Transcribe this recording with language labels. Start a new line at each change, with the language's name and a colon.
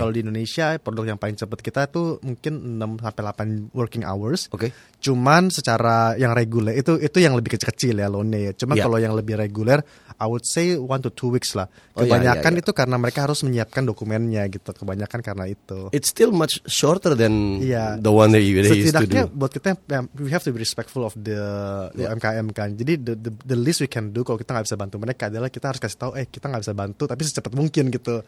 Indonesian: Kalau di Indonesia produk yang paling cepat kita itu mungkin 6-8 working hours.
English: Okay.
Indonesian: Cuman secara yang reguler itu yang lebih kecil-kecil ya loan-nya ya. Cuma kalau yang lebih reguler
English: I would say 1-2 weeks
Indonesian: lah. Kebanyakan itu karena mereka harus menyiapkan dokumennya gitu. Kebanyakan karena itu.
English: It's still much shorter than the one that you used to do.
Indonesian: Setidaknya buat kita,
English: we have to be respectful of the UMKM kan.
Indonesian: Jadi
English: the least we can do
Indonesian: kalau kita gak bisa bantu mereka adalah kita harus kasih tahu, kita gak bisa bantu tapi secepat mungkin gitu.